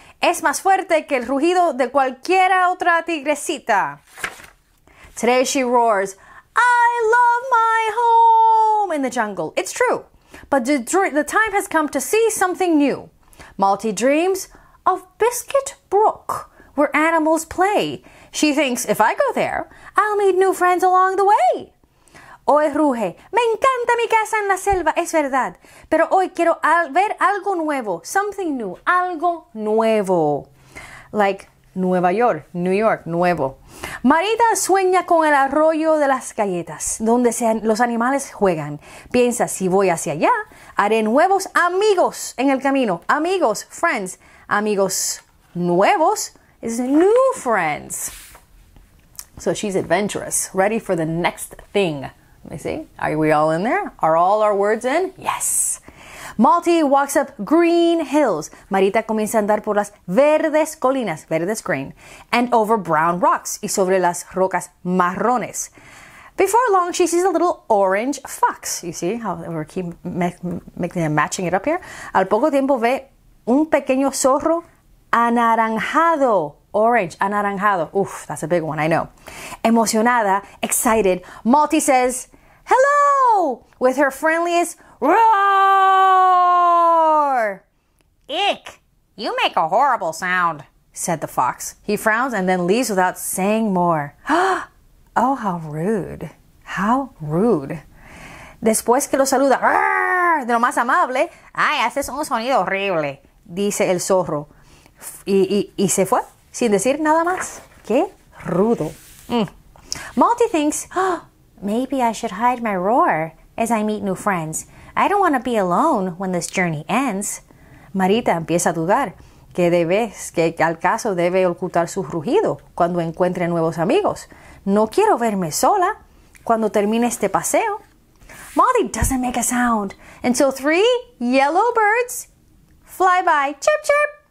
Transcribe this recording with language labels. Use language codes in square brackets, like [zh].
[es] Es más fuerte que el rugido de cualquiera otra tigresita. [en] Today she roars, I love my home in the jungle. It's true. But the time has come to see something new. Malty dreams of Biscuit Brook, where animals play. She thinks, if I go there, I'll meet new friends along the way. [es] Hoy ruge, me encanta mi casa en la selva, es verdad. Pero hoy quiero ver algo nuevo, [en] something new, [es] algo nuevo. Like Nueva York, New York, nuevo. Marita sueña con el arroyo de las galletas, donde los animales juegan. Piensa, si voy hacia allá, haré nuevos amigos en el camino. [en] Amigos, friends, [es] amigos nuevos [en] is new friends. So she's adventurous, ready for the next thing. Let me see. Are we all in there? Are all our words in? Yes. Malty walks up green hills. [es] Marita comienza a andar por las verdes colinas, verdes green, [en] and over brown rocks [es] y sobre las rocas marrones. [en] Before long, she sees a little orange fox. You see how we're keep matching it up here? [es] Al poco tiempo ve un pequeño zorro anaranjado. [en] Orange, anaranjado. Oof, that's a big one, I know. Emocionada, excited, Malty says, hello, with her friendliest roar. Ick, you make a horrible sound, said the fox. He frowns and then leaves without saying more. Oh, how rude. How rude. [es] Después que lo saluda, de lo más amable, ay, haces un sonido horrible, dice el zorro. Y se fue. Sin decir nada más. Qué rudo. Mm. [en] Malty thinks, oh, maybe I should hide my roar as I meet new friends. I don't want to be alone when this journey ends. [es] Marita empieza a dudar que debes, que al caso debe ocultar su rugido cuando encuentre nuevos amigos. No quiero verme sola cuando termine este paseo. [en] Malty doesn't make a sound until three yellow birds fly by. Chirp, chirp.